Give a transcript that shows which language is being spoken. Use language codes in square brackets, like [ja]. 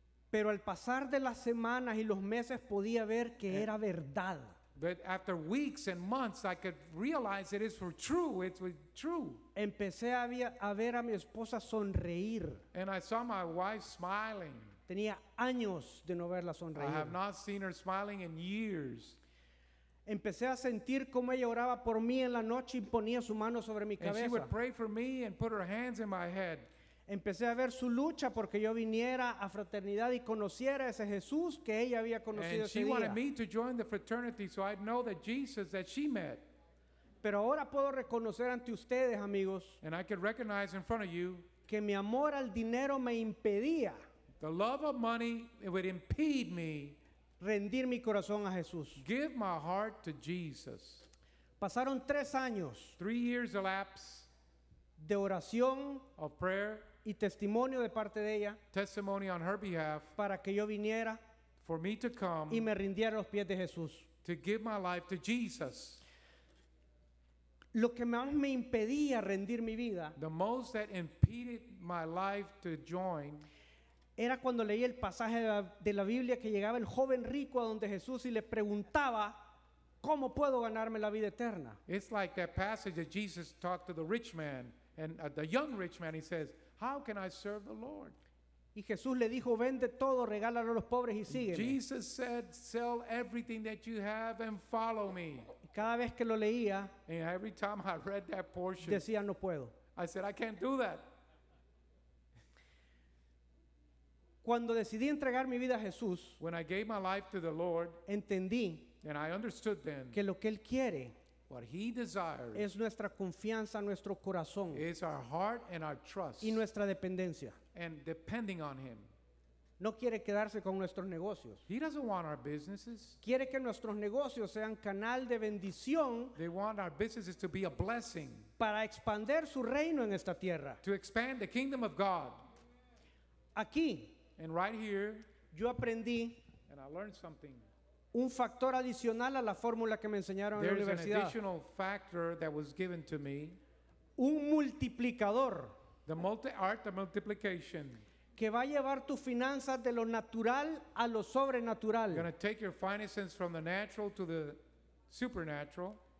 [es] Pero al pasar de las semanas y los meses podía ver que era verdad. [en] But after weeks and months, I could realize it is for true. It's true. [es] Empecé a ver a mi esposa sonreír. [en] And I saw my wife smiling. [es] Tenía años de no verla sonreír. [en] I have not seen her smiling in years. [es] Empecé a sentir cómo ella oraba por mí en la noche y ponía su mano sobre mi cabeza. [en] And she would pray for me and put her hands in my head. [es] Empecé a ver su lucha porque yo viniera a fraternidad y conociera ese Jesús que ella había conocido ese día. [en] And she wanted me to join the fraternity so I'd know the Jesus that she met. [es] Pero ahora puedo reconocer ante ustedes, amigos, [en] and I could recognize in front of you, [es] que mi amor al dinero me impedía, [en] the love of money, it would impede me, [es] rendir mi corazón a Jesús. [en] Give my heart to Jesus. [es] Pasaron 3 años. [en] 3 years elapsed. [es] De oración [en] of prayer, [es] y testimonio de parte de ella, [en] testimony on her behalf, [es] para que yo viniera, [en] for me to come, [es] y me rindiera a los pies de Jesús, [en] to give my life to Jesus. [es] Lo que más me impedía rendir mi vida, [en] the most that impeded my life to join, [es] era cuando leí el pasaje de la Biblia que llegaba el joven rico a donde Jesús y le preguntaba, ¿cómo puedo ganarme la vida eterna? [en] It's like that passage that Jesus talked to the rich man and the young rich man. He says, how can I serve the Lord? [es] Y Jesús le dijo, vende todo, regálalo a los pobres y sígueme. [en] Jesus said, sell everything that you have and follow me. [es] Cada vez que lo leía, [en] and every time I read that portion, [es] decía, no puedo. [en] I said, I can't do that. [es] Cuando decidí entregar mi vida a Jesús, [en] when I gave my life to the Lord, [es] entendí, [en] and I understood then, [es] que lo que Él quiere, [en] what he desires, [es] es nuestra confianza, nuestro corazón, [en] is our heart and our trust, [es] y nuestra dependencia, [en] and depending on him. [es] No quiere quedarse con nuestros negocios. [en] He doesn't want our businesses. [es] Quiere que nuestros negocios sean canal de bendición. [en] They want our businesses to be a blessing. [es] Para expandir su reino en esta tierra. [en] To expand the kingdom of God. [es] Aquí. [en] And right here. [es] Yo aprendí. [en] And I learned something. [es] Un factor adicional a la fórmula que me enseñaron [en] There's [es] en la universidad. [en] There's an additional factor that was given to me. [es] Un multiplicador. [en] The art of multiplication. [es] Que va a llevar tus finanzas de lo natural a lo sobrenatural. [en] You're going to take your finances from the natural to the supernatural.